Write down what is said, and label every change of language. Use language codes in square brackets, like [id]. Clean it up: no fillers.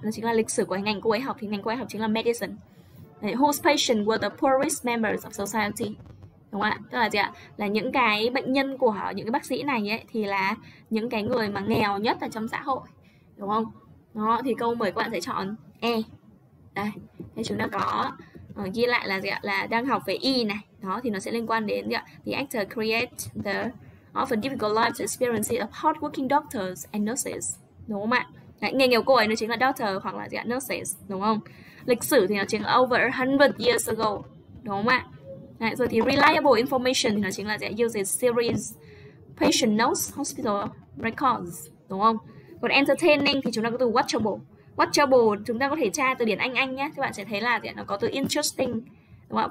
[vi] Nó chính là lịch sử của ngành cô ấy học, thì ngành cô ấy học chính là medicine. Đấy, [en] whose patients were the poorest members of society, [vi] đúng không ạ? Tức là gì ạ? Là những cái bệnh nhân của họ, những cái bác sĩ này ấy, thì là những cái người mà nghèo nhất ở trong xã hội, đúng không? Đó, thì câu mời các bạn sẽ chọn E. Đây, thì chúng ta có ghi lại là gì ạ? Là đang học về y này. Đó, thì nó sẽ liên quan đến gì ạ? [en] The actor create the often difficult life experiences of hardworking doctors and nurses. [vi] Đúng không ạ? Đấy, nghề nghiệp cô ấy nó chính là doctor hoặc là gì ạ? Nurses, đúng không? Lịch sử thì nó chính là over 100 years ago. Đúng không ạ? Đấy, rồi thì reliable information thì nó chính là gì ạ? [en] Uses series patient notes, hospital records. [vi] Đúng không? Còn entertaining thì chúng ta có từ watchable. Watchable chúng ta có thể tra từ điển Anh nhé, các bạn sẽ thấy là nó có từ interesting, đúng không?